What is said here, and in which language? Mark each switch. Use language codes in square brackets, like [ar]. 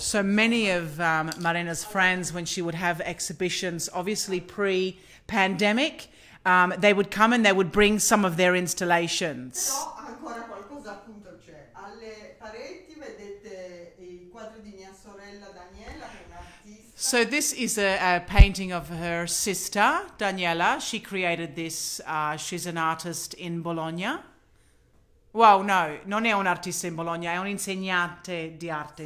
[en] So many of Marina's friends, when she would have exhibitions, obviously pre-pandemic, they would come and they would bring some of their installations. [it] Però ancora qualcosa appunto c'è. Alle pareti vedete il quadro di mia sorella Daniela, che è un'artista. [en] So this is a painting of her sister Daniela. She created this. She's an artist in Bologna. [it] Wow, no, non è un'artista in Bologna, è un insegnante di arte,